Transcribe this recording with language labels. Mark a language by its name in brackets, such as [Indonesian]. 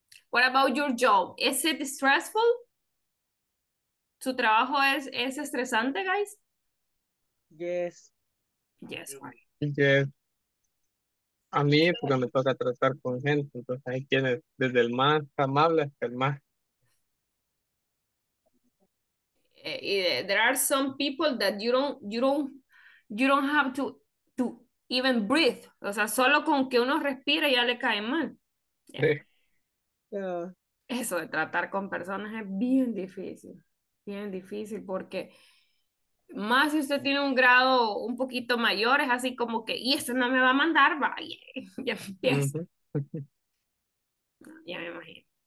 [English] What about your job? Is it stressful? [Spanish] ¿Su trabajo es estresante, [English] guys? Yes. Yes, why? Yes. [Spanish] A mí, porque me toca tratar con gente, entonces hay quienes, desde el más amable hasta el más. [English] There are some people that you don't have to even breathe. [Spanish] O sea, solo con que uno respire ya le cae mal. [English] Yeah. [Spanish] Sí. [English] Yeah. [Spanish] Eso de tratar con personas es bien difícil. Bien difícil porque más si usted tiene un grado un poquito mayor, es así como que, y este no me va a mandar, vaya. Ya empiezo. Ya me imagino.